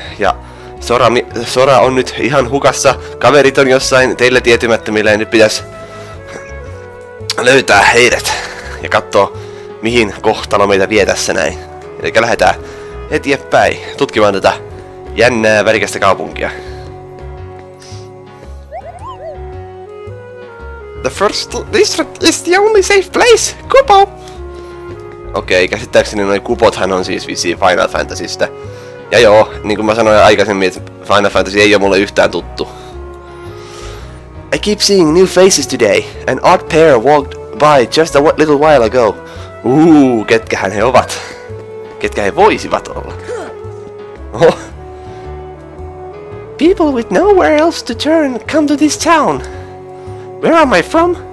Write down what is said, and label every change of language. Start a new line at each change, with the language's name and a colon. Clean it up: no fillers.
Finnish: Ja Sora on nyt ihan hukassa. Kaverit on jossain teille tietymättömille, nyt pitäis löytää heidät. Ja katsoa, mihin kohtalo meitä vie tässä näin. Eli lähdetään eteenpäin tutkimaan tätä jännää värikästä kaupunkia.
English: The first district is the only safe place, Kupo!
Finnish: Okei, käsittääkseni noi Kupothan on siis vissiin Final Fantasystä. Ja joo, niin kuin mä sanoin aikaisemmin, että Final Fantasy ei ole mulle yhtään tuttu.
English: I keep seeing new faces today. An odd pair walked by just a little while ago.
Finnish: Ketkähän he ovat? Ketkä he voisivat olla?
English: Oh. People with nowhere else to turn come to this town. Where am I from?